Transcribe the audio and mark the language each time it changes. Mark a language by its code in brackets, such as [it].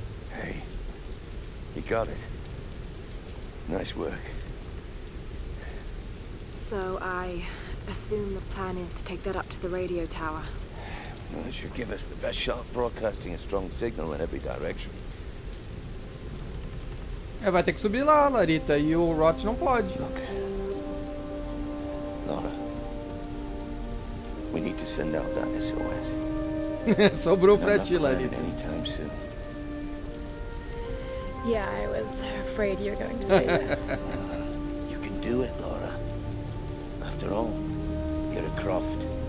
[en] Hey, you got it. Nice work. So I assume the plan is to take that up to the radio tower. Well, that should give us the best shot broadcasting a strong signal in every direction. [pt] É, vai ter que subir lá, Larita, e o Rot não pode. [en] Look, Laura, we need to send out that SOS. [pt] Sobrou pra ti, Larita. [en] Yeah, I was afraid you were going to say that. You can do it, Laura. After all, you're a Croft.